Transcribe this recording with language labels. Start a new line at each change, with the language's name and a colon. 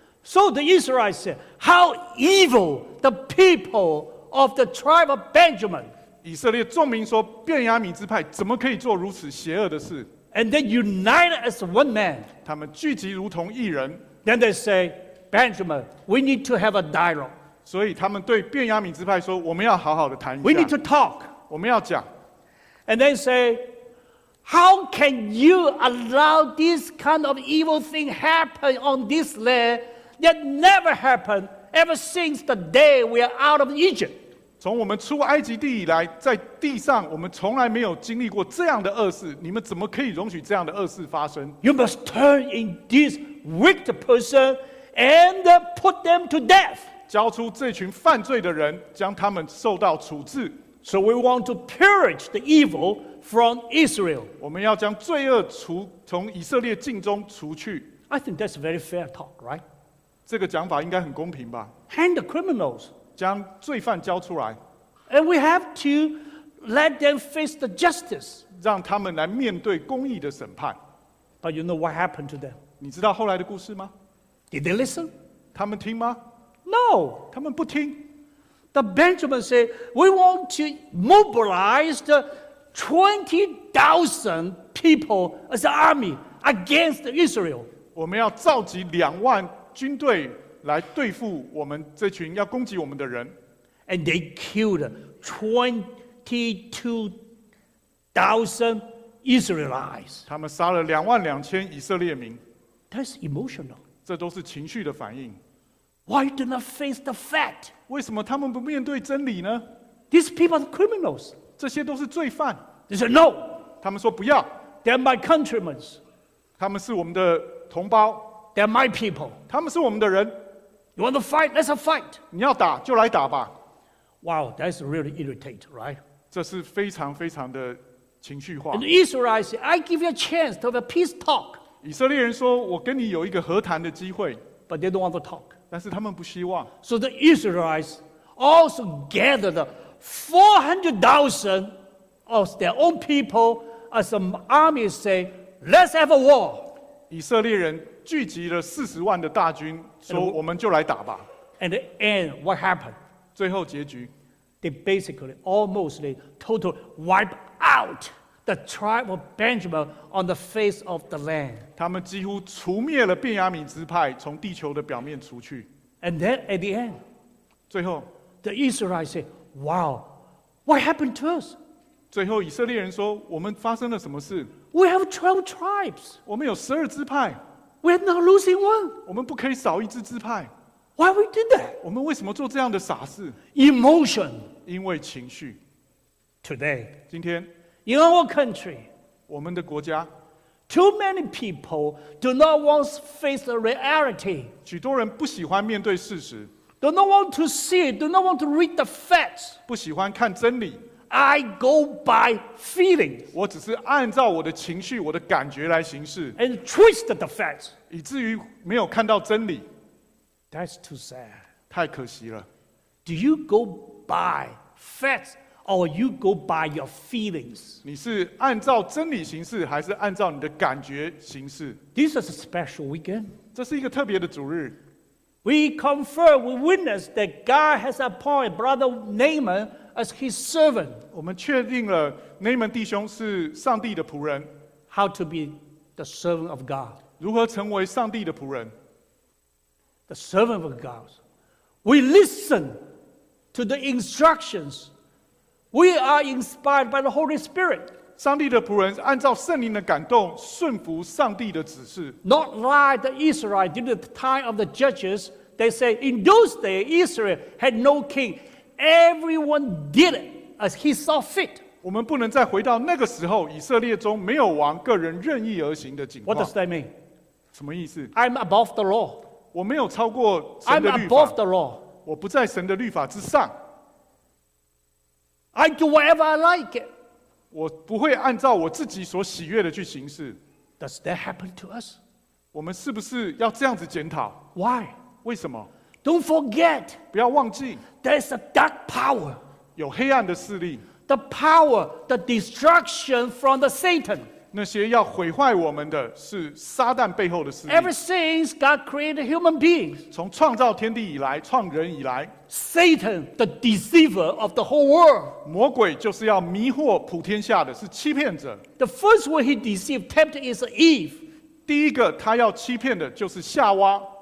English: So the Israelites said, how evil the people of the tribe of Benjamin.
Chinese: 以色列众民说便雅悯支派怎么可以做如此邪恶的事。
English: And they united as one man.
Chinese: 他们聚集如同一人。
English: Then they say, Benjamin, we need to have a dialogue.
Chinese: 所以他们对便雅悯支派说我们要好好的谈一下。
English: We need to talk.
Chinese: 我们要讲
English: and then say, "How can you allow this kind of evil thing happen on this land that never happened ever since the day we are out of Egypt?"
Chinese: 从我们出埃及地以来，在地上我们从来没有经历过这样的恶事。你们怎么可以容许这样的恶事发生
English: ？You must turn in this wicked person and put them to death.
Chinese: 交出这群犯罪的人，将他们受到处置。
English: So we want to purge the evil from Israel.
Chinese: 我们要将罪恶从以色列境中除去。
English: I think that's a very fair talk, right?
Chinese: 这个讲法应该很公平吧。
English: Hand the criminals.
Chinese: 将罪犯交出来。
English: And we have to let them face the justice.
Chinese: 让他们来面对公义的审判。
English: But you know what happened to them?
Chinese: 你知道后来的故事吗？
English: Did they listen?
Chinese: 他们听吗？
English: No.
Chinese: 他们不听。
English: The Benjamin said, "We want to mobilize the 20,000 people as an army against Israel."
Chinese: 我们要召集两万军队来对付我们这群要攻击我们的人。
English: And they killed 22,000 Israelites.
Chinese: 他们杀了两万两千以色列民。
English: That's emotional.
Chinese: 这都是情绪的反应。
English: Why do not face the fact?
Chinese: 为什么他们不面对真理呢？
English: These people are criminals.
Chinese: 这些都是罪犯。
English: They said no.
Chinese: 他们说不要。
English: They're my countrymen.
Chinese: 他们是我们的同胞。
English: They're my people.
Chinese: 他们是我们的人。
English: You want to fight? Let's fight.
Chinese: 你要打就来打吧。
English: Wow, that's really irritating, right?
Chinese: 这是非常非常的情绪化。
English: And the Israelites say, I give you a chance to have a peace talk.
Chinese: 以色列人说，我跟你有一个和谈的机会。
English: But they don't want to talk.
Chinese: 但是他们不希望。
English: So the Israelites also gathered 400,000 of their own people as an army say, "Let's have a war."
Chinese: 以色列人聚集了400,000的大军，说我们就来打吧。
English: And the end, what happened?
Chinese: 最后结局
English: ，they basically almost totally wipe out the tribe of Benjamin on the face of the land.
Chinese: 他们几乎除灭了便雅悯支派，从地球的表面除去。
English: And then at the end,
Chinese: 最后
English: the Israelites say, "Wow, what happened to us?"
Chinese: 最后以色列人说，我们发生了什么事
English: ？We have 12 tribes.
Chinese: 我们有十二支派。
English: We're not losing one.
Chinese: 我们不可以少一支支派。
English: Why we did that?
Chinese: 我们为什么做这样的傻事
English: ？Emotion.
Chinese: 因为情绪。
English: Today,
Chinese: 今天。
English: In our country,
Chinese: 我们的国家
English: too many people do not want to face the reality.
Chinese: 许多人不喜欢面对事实
English: do not want to see, do not want to read the facts.
Chinese: 不喜欢看真理
English: I go by feelings.
Chinese: 我只是按照我的情绪、我的感觉来行事
English: and twist the facts.
Chinese: 以至于没有看到真理
English: That's too sad.
Chinese: 太可惜了
English: Do you go by facts? Or you go by your feelings.
Chinese: 你是按照真理行事，还是按照你的感觉行事
English: ？This is a special weekend.
Chinese: 这是一个特别的主日。
English: We confirm, we witness that God has appointed Brother Naaman as His servant.
Chinese: 我们确定了内门弟兄是上帝的仆人。
English: How to be the servant of God?
Chinese: 如何成为上帝的仆人
English: ？The servant of God. We listen to the instructions. We are inspired by the Holy Spirit.
Chinese: 上帝的仆人按照圣灵的感动顺服上帝的指示。
English: Not like the Israelites during the time of the judges, they say in those days Israel had no king. Everyone did it as he saw fit.
Chinese: 我们不能再回到那个时候以色列中没有王个人任意而行的情况。
English: What does that mean?
Chinese: 什么意思？
English: I'm above the law.
Chinese: 我没有超过神的律法。
English: I'm above the law.
Chinese: 我不在神的律法之上。
English: I do whatever I like.
Chinese: 我不会按照我自己所喜悦的去行事。
English: Does that happen to us?
Chinese: 我们是不是要这样子检讨？
English: Why?
Chinese: 为什么？
English: Don't forget.
Chinese: 不要忘记。
English: There's a dark power.
Chinese: 有黑暗的势力。
English: The power, the destruction from the Satan.
Chinese: 那些要毁坏我们的是撒旦背后的势力。
English: Ever since God created human beings.
Chinese: 从创造天地以来，创人以来。
English: Satan, the deceiver of the whole world.
Chinese: 魔鬼就是要迷惑普天下的，是欺骗者。
English: The first one he deceived, tempted is Eve.
Chinese: 第一个他要欺骗的就是夏娃。